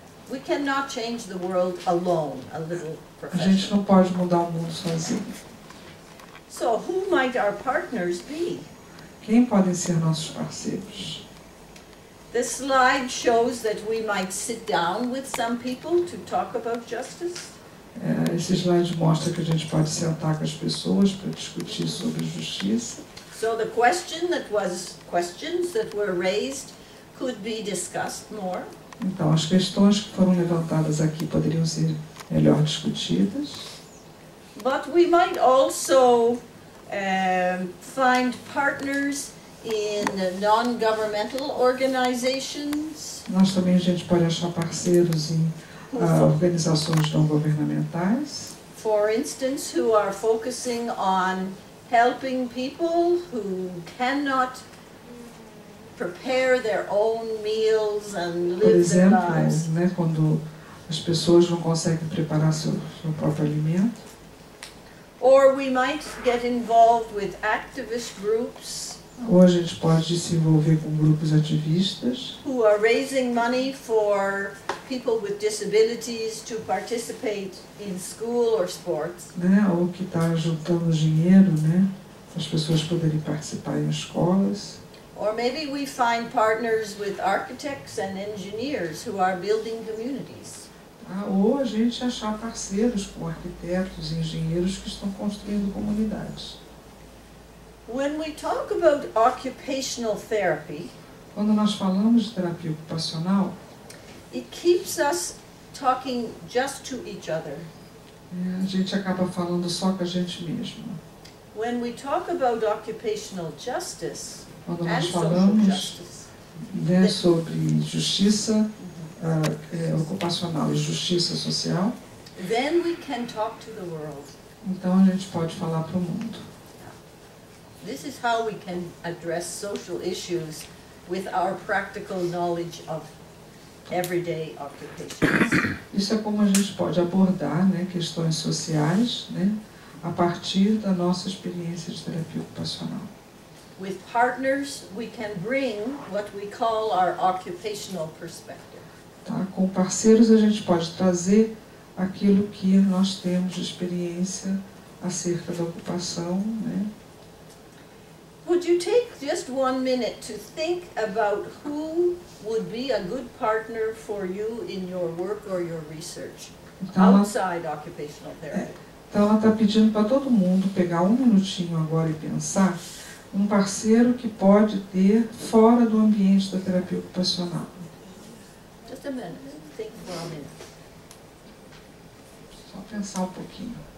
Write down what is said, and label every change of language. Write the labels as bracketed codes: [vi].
[en] We cannot change the world alone, a little profession. [pt] A gente não pode mudar o mundo sozinho. [en] So who might our partners be? [pt] Quem podem ser nossos parceiros? [en] The slide shows that we might sit down with some people to talk about justice. [pt] Esse slide mostra que a gente pode sentar com as pessoas para discutir sobre justiça. [en] So the question that was questions that were raised could be discussed more. [pt] Então as questões que foram levantadas aqui poderiam ser melhor discutidas. [en] But we might also find partners in non-governmental organizations. [pt] Nós também a gente pode achar parceiros em organizações não governamentais. [en] For instance, who are focusing on helping people who cannot prepare their own meals and live their lives. [pt] Por exemplo, né, quando as pessoas não conseguem preparar seu próprio alimento. [en] Or we might get involved with activist groups. [pt] Ou a gente pode se envolver com grupos ativistas. [en] Who are raising money for people with disabilities to participate in school or sports. [pt] Né? Ou que está juntando dinheiro, né, para as pessoas poderem participar em escolas. [en] Or maybe we find partners with architects and engineers who are building communities. [pt] Ou a gente achar parceiros com arquitetos e engenheiros que estão construindo comunidades. [en] When we talk about occupational therapy, [pt] quando nós falamos de terapia ocupacional, [en] it keeps us talking just to each other. [pt] A gente acaba falando só com a gente mesmo. [en] When we talk about occupational justice, [pt] quando nós falamos sobre justiça ocupacional e justiça social, [en] then we can talk to the world. [pt] Então a gente pode falar para o mundo. [en] This is how we can address social issues with our practical knowledge of everyday occupations. [pt] Isso é como a gente pode abordar, né, questões sociais, né, a partir da nossa experiência de terapia ocupacional. [en] With partners, we can bring what we call our occupational perspective. [pt] Tá, com parceiros a gente pode trazer aquilo que nós temos de experiência acerca da ocupação, né? [en] Would you take just 1 minute to think about who would be a good partner for you in your work or your research outside occupational therapy? [pt] Então ela está pedindo para todo mundo pegar 1 minutinho agora e pensar um parceiro que pode ter fora do ambiente da terapia ocupacional. [en] Just a minute. Think for a minute. [pt] Só pensar um pouquinho.